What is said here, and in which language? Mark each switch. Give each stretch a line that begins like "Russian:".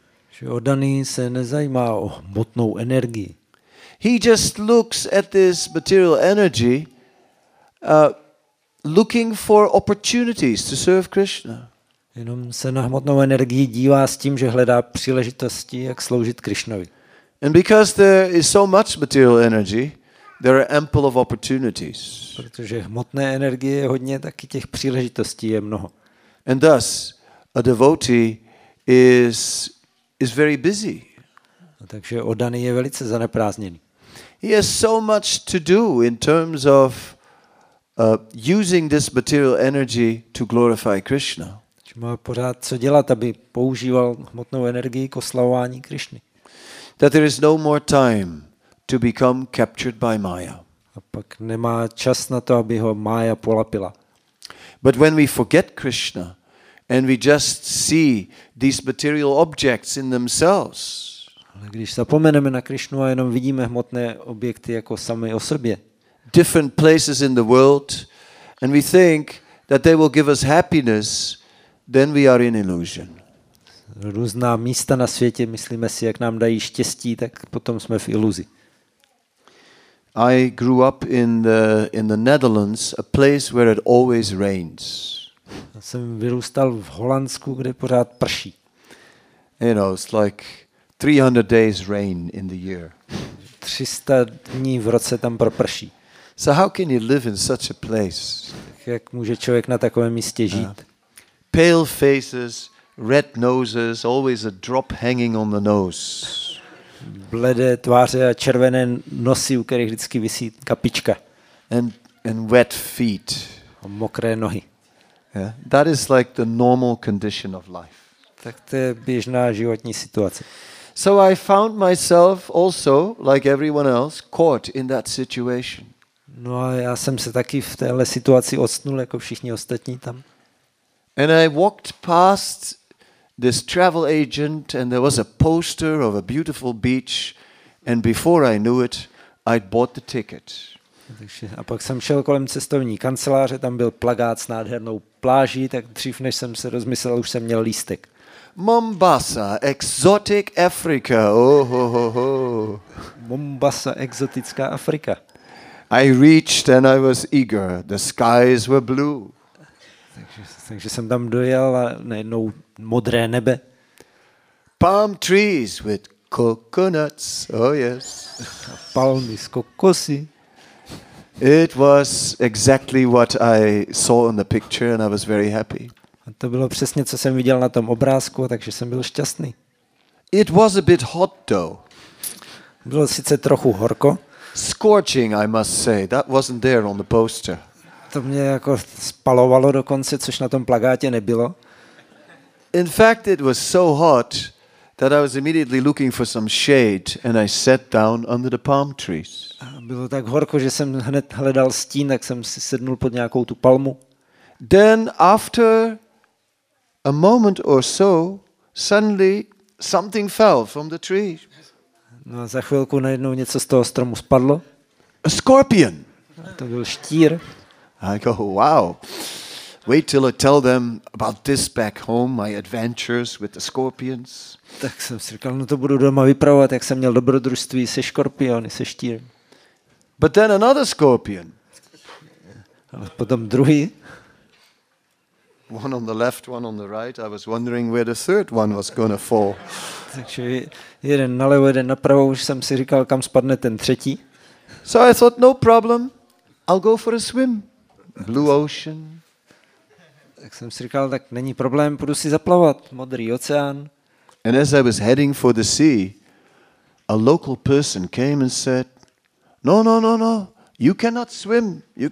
Czech: Že oddaný se nezajímá o hmotnou energii.
English: He just looks at this material energy looking for opportunities to serve Krishna.
Czech: Jenom se na hmotnou energii dívá s tím, že hledá příležitosti, jak sloužit Krishnovi.
English: And because there is so much material energy, there are ample of opportunities.
Czech: Protože hmotné energie je hodně, taky těch příležitostí je mnoho.
English: And thus a devotee is very busy.
Czech: A takže oddaný je velice zaneprázdněný.
English: He has so much to do in terms of using this material energy to glorify Krishna.
Czech: Že má pořád co dělat, aby používal hmotnou energii k oslavování Krišny.
English: That there is no more time to become captured by Maya.
Czech: A pak nemá čas na to, aby ho Maya polapila.
English: But when we forget Krishna and we just see these material objects in themselves.
Czech: Ale když zapomeneme na Krishnu a jenom vidíme hmotné objekty jako sami o sobě.
English: Different places in the world and we think that they will give us happiness, then we are in illusion.
Czech: Různá místa na světě, myslíme si, jak nám dají štěstí, tak potom jsme v iluzi.
English: I grew up in the Netherlands, a place where it always rains.
Czech: Já jsem vyrůstal v Holandsku, kde pořád prší.
English: You know, it's like 300 days rain in the year.
Czech: 300 dní v roce tam proprší.
English: So how can you live in such a place?
Czech: Jak může člověk na takovém místě žít?
English: Pale faces, red noses, always a drop hanging on the nose.
Czech: Bledé tváře a červené nosy, u kterých vždycky visí kapička.
English: And wet feet.
Czech: A mokré nohy.
English: Yeah, that is like the normal condition of life.
Czech: Tak to je běžná životní situace.
English: So I found myself also, like everyone else, caught in that situation.
Czech: No a já jsem se taky v téhle situaci ocitl, jako všichni ostatní tam.
English: And I walked past this travel agent and there was a poster of a beautiful beach and before I knew it I'd bought the ticket.
Czech: A pak jsem šel kolem cestovní kanceláře, tam byl plakát s nádhernou pláží, tak dřív než jsem se rozmyslel, už jsem měl lístek.
English: Mombasa, exotic Africa. Oh ho ho ho.
Czech: Mombasa, exotická Afrika.
English: I reached and I was eager. The skies were blue.
Czech: Takže jsem tam dojel a najednou modré nebe.
English: Palm trees with coconuts, oh yes.
Czech: Palmy s kokosy.
English: It was exactly what I saw in the picture and I was very happy.
Czech: A to bylo přesně, co jsem viděl na tom obrázku, takže jsem byl šťastný.
English: It was a bit hot though.
Czech: Bylo sice trochu horko.
English: Scorching, I must say, that wasn't there on the poster.
Czech: To mě jako spalovalo dokonce, což na tom plakátě nebylo.
English: In fact, it was so hot that I was immediately looking for some shade and I sat down under the palm trees.
Czech: Bylo tak horko, že jsem hned hledal stín, tak jsem si sednul pod nějakou tu palmu.
English: Then after a moment or so, suddenly something fell from the tree.
Czech: No a za chvilku najednou něco z toho stromu spadlo.
English: A scorpion.
Czech: A to byl štír.
English: I go, wow. Wait till I tell them about this back home, my adventures with the scorpions.
Czech: Tak jsem si říkal, no to budu doma vypravovat, jak jsem měl dobrodružství se škorpiony, se štírem.
English: But then another scorpion.
Czech: Ale potom druhý.
English: One on the left, one on the right. I was wondering where the third one was going to fall.
Czech: Takže jeden nalevo, jeden napravo, už jsem si říkal, kam spadne ten třetí.
English: So I thought, no problem, I'll go for a swim. Blue ocean.
Czech: Tak jsem si říkal, tak není problém, půjdu si zaplavat, modrý oceán.
English: And as I was heading for the sea, a local person came and said, no, you cannot swim.